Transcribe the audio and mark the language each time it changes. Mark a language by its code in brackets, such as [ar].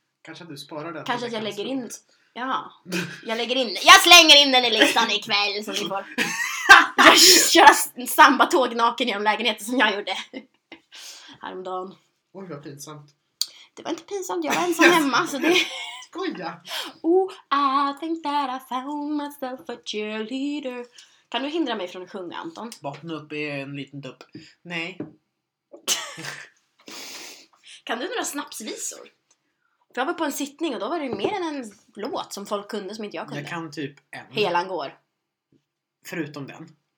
[sv] Kanske att du sparar den. Kanske att jag lägger in. Ja, jag lägger in. Jag slänger in den i listan ikväll så ni får. Jag kör sambatåg naken genom lägenheten som jag gjorde häromdagen. Oj, vad pinsamt. Det var inte pinsamt, jag var ensam hemma. Så det... Skoja. [en] Oh, I think that I found myself a cheerleader. [sv] Kan du hindra mig från att sjunga, Anton? Vakna upp i en liten dupp. Nej. Kan du några snapsvisor? För jag var på en sittning och då var det mer än en låt som folk kunde som inte jag kunde. Jag kan typ en. Helan går. Förutom den.